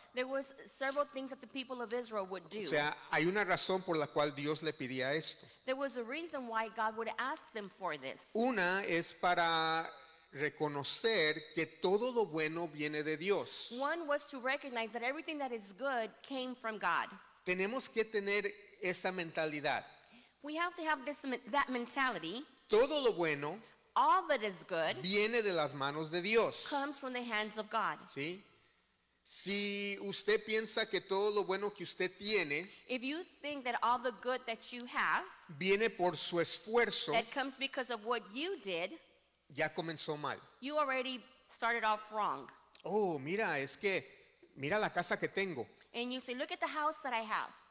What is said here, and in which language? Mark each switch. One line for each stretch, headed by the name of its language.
English: There was several things that the people of Israel would do.
Spanish: O sea, hay una razón por la cual Dios le pedía esto.
English: There was a reason why God would ask them for this.
Spanish: Una es para reconocer que todo lo bueno viene de Dios.
English: One was to recognize that everything that is good came from God.
Spanish: Tenemos que tener esa mentalidad.
English: We have to have this, that mentality.
Spanish: Todo lo bueno,
English: all that is good,
Spanish: viene de las manos de Dios.
English: Comes from the hands of God.
Spanish: ¿Sí? Si usted piensa que todo lo bueno que usted tiene,
English: if you think that all the good that you have,
Spanish: viene por su esfuerzo,
English: that comes because of what you did,
Spanish: ya comenzó mal.
English: You already started off wrong.
Spanish: Oh, mira, es que mira la casa que tengo.
English: And you say, look at the house that I have.